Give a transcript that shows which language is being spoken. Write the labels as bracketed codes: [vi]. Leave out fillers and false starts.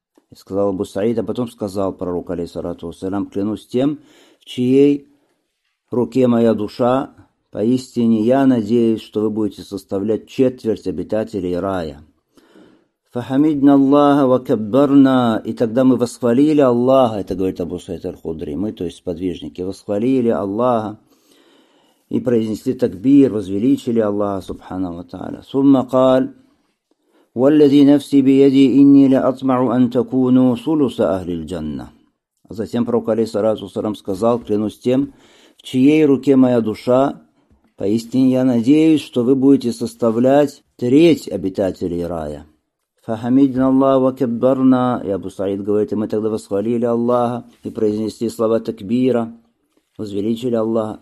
[ru] И сказал Абу Саид, а потом сказал пророк, алейхиссалату вассалям, клянусь тем, чьей руке моя душа, поистине я надеюсь, что вы будете составлять четверть обитателей рая. Фахамидна Аллаха вакаббарна, и тогда мы восхвалили Аллаха, это говорит Абу Саид аль-Худри, мы, то есть сподвижники, восхвалили Аллаха и произнесли такбир, возвеличили Аллаха, субхана ва тааля. [ar] Сумма каль, والذي نفسي بيدي إني لأطمع أن تكونوا سلس أهل الجنة. [ru] Затем пророк алейхиссалату вассалям сказал, клянусь тем, в чьей руке моя душа, поистине я надеюсь, что вы будете составлять треть обитателей рая. Фахамидна Аллаха вакаббарна, и Абу Саид говорит, и мы тогда восхвалили Аллаха и произнесли слова такбира, возвеличили Аллаха.